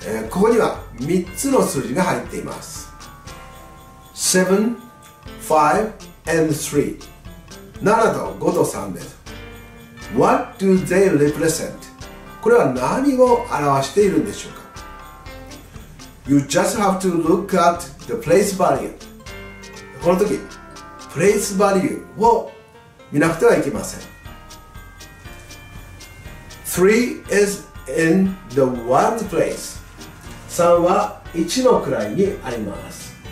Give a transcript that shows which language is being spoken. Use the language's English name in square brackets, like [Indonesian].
[Japanese] ここには3つの数字が入っています。 [English] 7, 5, and 3. [Japanese] 7と5と3です。 [English] What do they represent? [Japanese] これは何を表しているんでしょうか? [English] You just have to look at the place value. [Japanese] この時、place value を見なくてはいけません。 [English] 3 is in the one place. [Japanese] 3は1の位にあります。